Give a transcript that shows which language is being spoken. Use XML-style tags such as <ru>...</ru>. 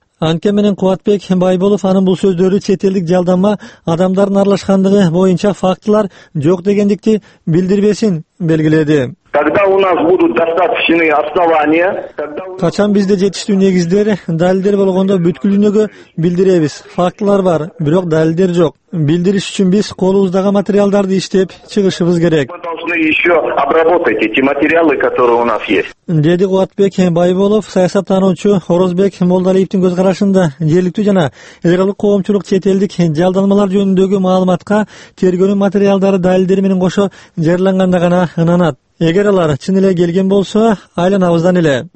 <ky>Анткен менен Кубатбек Байболов анын бул сөздөрү чет элдик жалдама адамдардын аралашкандыгы боюнча фактылар жок дегендикти билдирбесин белгиледи.</ky> <ru>Когда у нас будут достаточные основания,</ru> <ky>качан бизде жетиштүү негиздер, далилдер болгондо бүткүл дүйнөгө билдиребиз. Фактылар бар, бирок далилдер жок. Билдириш үчүн биз колубуздагы материалдарды иштеп чыгышыбыз керек.</ky> <ru>Еще обработайте эти материалы, которые у нас есть.</ru> <ky>Деди Кубатбек Байболов, саясаттануучу, Орозбек Молдалиевдин көз карашында жергиликтүү жана эзралык коомчулук четелдик жалдамалар жөнүндөгү маалыматка тергөөнүн материалдары далилдер менен кошо жарыяланганда гана ынанат. Эгер алар чын эле келген болсо, айланабыздан эле.</ky>